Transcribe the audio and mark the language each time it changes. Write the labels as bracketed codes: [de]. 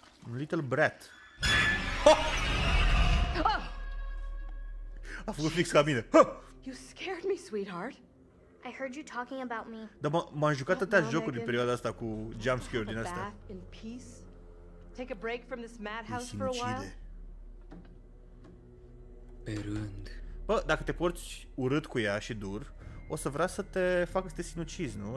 [en] Un little brat. [ro] A făcut fix ca mine. [en] You scared me, sweetheart. I heard you talking about me. [ro] Dar m-am jucat atâtea jocuri în perioada asta cu jump scare din asta. [en] Take a break from this madhouse for a while. [ro] Pe rând. Bă, dacă te porți urât cu ea și dur, o să vrea să te facă să te sinucizi, nu?